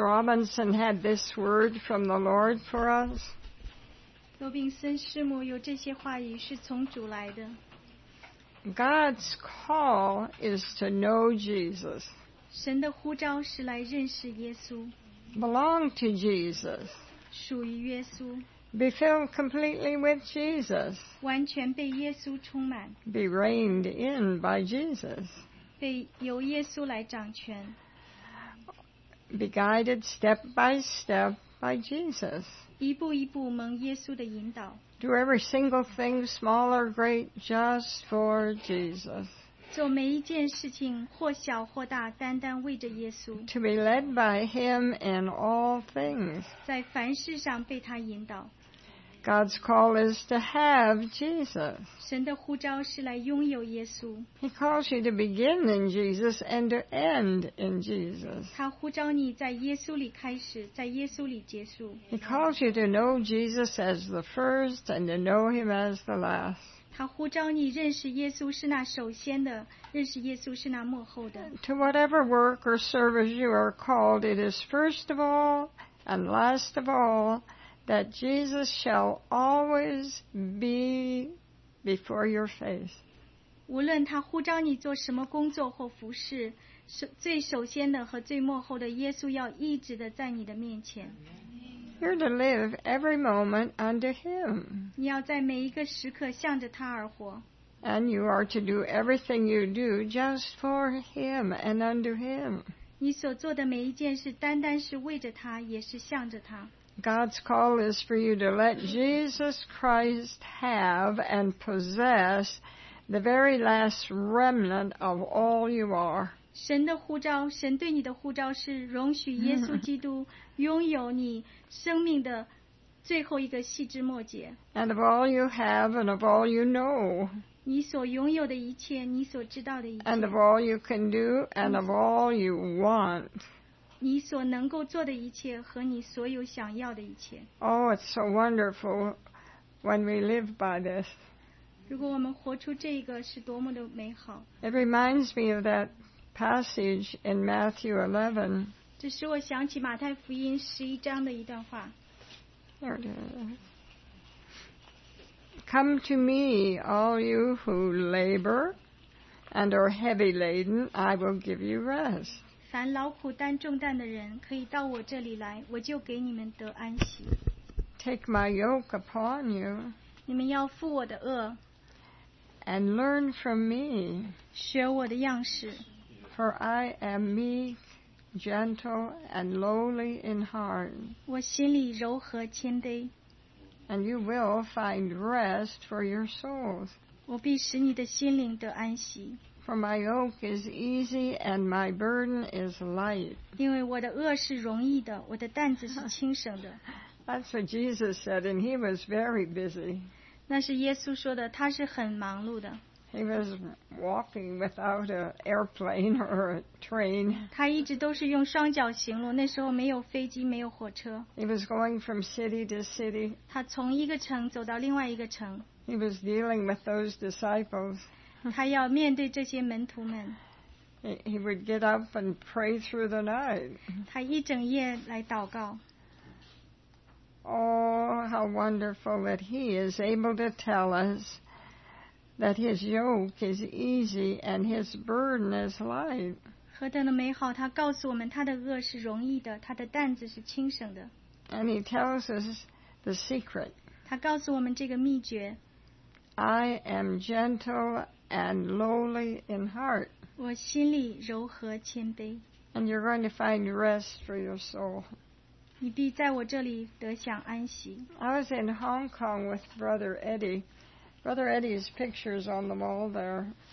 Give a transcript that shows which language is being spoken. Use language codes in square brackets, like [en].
[en] Robinson had this word from the Lord for us. [zh] 罗宾森师母有这些话语是从主来的。 [en] God's call is to know Jesus. [zh] 神的呼召是来认识耶稣。 [en] Belong to Jesus. [zh] 属于耶稣。 [en] Be filled completely with Jesus. [zh] 完全被耶稣充满。 [en] Be reigned in by Jesus. [zh] 被由耶稣来掌权。 [en] Be guided step by step by Jesus. [zh] 一步一步蒙耶稣的引导。 [en] Do every single thing, small or great, just for Jesus. [zh] 做每一件事情，或小或大，单单为着耶稣。 [en] To be led by Him in all things. [zh] 在凡事上被他引导。 [en] God's call is to have Jesus. [zh] 神的呼召是来拥有耶稣。 [en] He calls you to begin in Jesus and to end in Jesus. [zh] 他呼召你在耶稣里开始，在耶稣里结束。 [en] He calls you to know Jesus as the first and to know Him as the last. [zh] 他呼召你认识耶稣是那首先的，认识耶稣是那末后的。 [en] To whatever work or service you are called, it is first of all and last of all. That Jesus shall always be before your face. [zh] 无论他呼召你做什么工作或服事，最首先的和最末后的，耶稣要一直的在你的面前。 [en] You're to live every moment under Him. [zh] 你要在每一个时刻向着他而活。 [en] And you are to do everything you do just for Him and under Him. [zh] 你所做的每一件事，单单是为着他，也是向着他。 [en] God's call is for you to let Jesus Christ have and possess the very last remnant of all you are. [zh] 神的呼召，神对你的呼召是容许耶稣基督拥有你生命的最后一个细枝末节。 [en] And of all you have and of all you know. [zh] 你所拥有的一切，你所知道的一切。 [en] And of all you can do and of all you want. [zh] 你所能够做的一切和你所有想要的一切。 [en] Oh, it's so wonderful when we live by this. [zh] 如果我们活出这个是多么的美好。 [en] It reminds me of that passage in Matthew 11. [zh] 这使我想起马太福音十一章的一段话。 [en] Come to me, all you who labor and are heavy laden, I will give you rest. [zh] 凡劳苦担重担的人可以到我这里来，我就给你们得安息。 [en] Take my yoke upon you. [zh] 你们要负我的轭。 [en] And learn from me. [zh] 学我的样式。 [en] For I am meek, gentle, and lowly in heart. [zh] 我心里柔和谦卑。 [en] And you will find rest for your souls. [zh] 我必使你的心灵得安息。 [en] For my yoke is easy and my burden is light. [zh] 因为我的轭是容易的，我的担子是轻省的。 [en] That's what Jesus said, and he was very busy. [zh] 那是耶稣说的，他是很忙碌的。 [en] He was walking without an airplane or a train. [zh] 他一直都是用双脚行路，那时候没有飞机，没有火车。 [en] He was going from city to city. [zh] 他从一个城走到另外一个城。 [en] He was dealing with those disciples. [zh] 他要面对这些门徒们。 [en] He would get up and pray through the night. [zh] 他一整夜来祷告。 [en] Oh, how wonderful that he is able to tell us that his yoke is easy and his burden is light. [zh] 何等的美好，他告诉我们他的轭是容易的，他的担子是轻省的。 [en] And he tells us the secret. [zh] 他告诉我们这个秘诀。 [en] I am gentle and lowly in heart. [zh] 我心里柔和谦卑。 [en] And you're going to find rest for your soul. [zh] 你必在我这里得享安息。 [en] I was in Hong Kong with Brother Eddie. Brother Eddie's picture is on the wall there.